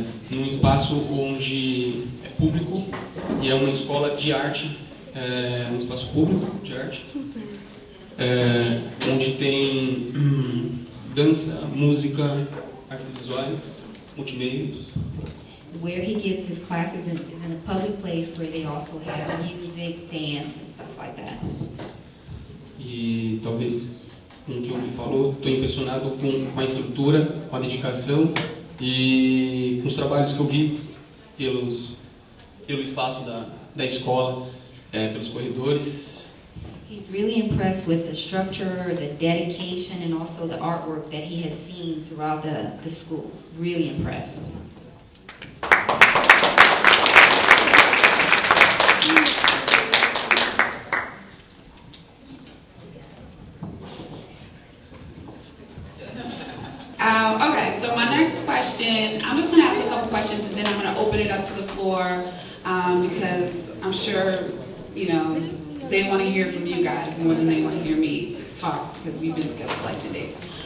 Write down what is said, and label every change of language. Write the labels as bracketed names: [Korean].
[Portuguese] Num espaço onde é público e é uma escola de arte. Um espaço público de arte, onde tem dança, música, artes visuais, multimeios. [English] Where he gives his classes is in a public place where they also have music, dance and stuff like that. [Portuguese] E talvez com o que ele falou, estou impressionado com a estrutura, com a dedicação e com os trabalhos que eu vi pelo espaço da escola. Pelos corredores, [English] He's really impressed with the structure, the dedication, and also the artwork that he has seen throughout the school. Really impressed. Okay, so my next question, I'm just going to ask a couple questions and then I'm going to open it up to the floor because I'm sure, you know, they want to hear from you guys more than they want to hear me talk because we've been together for like 2 days.